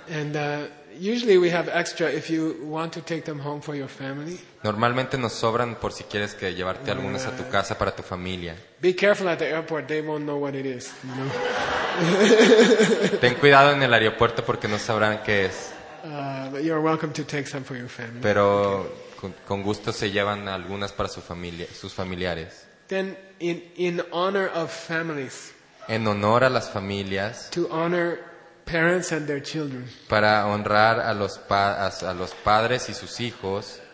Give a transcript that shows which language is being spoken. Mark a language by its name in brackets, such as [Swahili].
[English] And usually we have extra if you want to take them home for your family. [Spanish] Normalmente nos sobran por si quieres que llevarte algunas a tu casa para tu familia. [English] Be careful at the airport, they won't know what it is, you know? [Spanish] Ten cuidado en el aeropuerto porque no sabrán qué es. [English] But you're welcome to take some for your family. [Spanish] Pero con gusto se llevan algunas para su familia, sus familiares. [English] Then in honor of families. [Spanish] En honor a las familias. [English] To honor parents and their children. [Spanish] Para honrar a los padres y sus hijos.